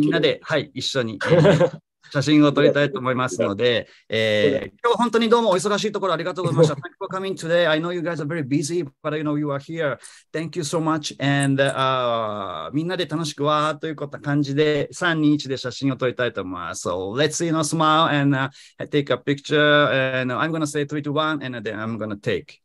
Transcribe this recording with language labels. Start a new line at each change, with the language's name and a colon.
Japanese: みんなで、はい、一緒に写真を撮りたいと思いますので、今日本当にどうもお忙しいところありがとうございました。
English: Thank you for coming today. I know you guys are very busy, but I know you are here. Thank you so much.
Japanese: And みんなで楽しくわーということ感じで、3、2、1で写真を撮りたいと思います。
English: So let's see, smile and take a picture. And I'm going to say 3, 2, 1 and then I'm going to take.